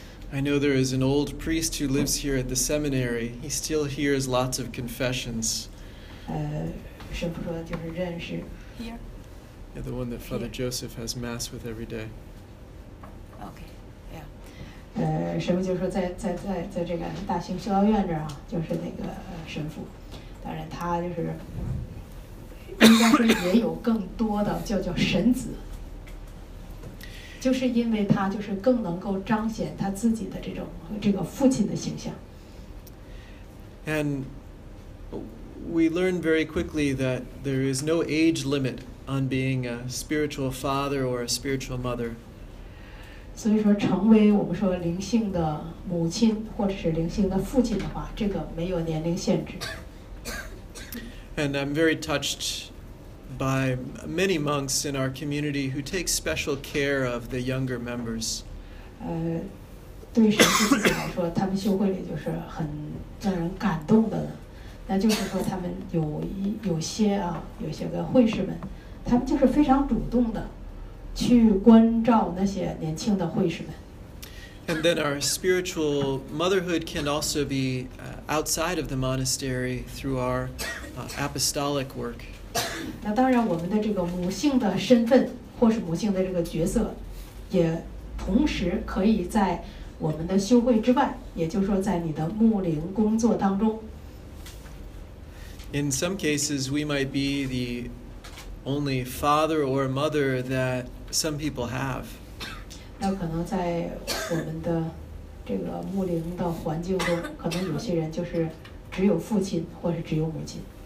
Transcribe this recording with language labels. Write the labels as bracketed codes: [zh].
[en] I know there is an old priest who lives here at the seminary. He still hears lots of confessions. [zh] 神父说就是认识 [en] here. Yeah, the one that Father Joseph has mass with every day. Okay, yeah. [zh] 神父就说在这个大型修道院这儿啊，就是那个神父。当然，他就是应该说也有更多的叫神子。就是因为他就是更能够彰显他自己的这个父亲的形象。 [en] And we learn very quickly that there is no age limit on being a spiritual father or a spiritual mother. [zh] 所以说，成为我们说灵性的母亲或者是灵性的父亲的话，这个没有年龄限制。 [en] And I'm very touched. By many monks in our community who take special care of the younger members. [zh] 对神父自己来说，他们修会里就是很让人感动的呢。那就是说，他们有些个会士们，他们就是非常主动的去关照那些年轻的会士们。 [en] And then our spiritual motherhood can also be outside of the monastery through our apostolic work. [zh] 那当然，我们的这个母性的身份，或是母性的这个角色，也同时可以在我们的修会之外，也就是说，在你的牧灵工作当中。 [en] In some cases, we might be the only father or mother that some people have. [zh] 那可能在我们的这个牧灵的环境中，可能有些人就是只有父亲，或是只有母亲。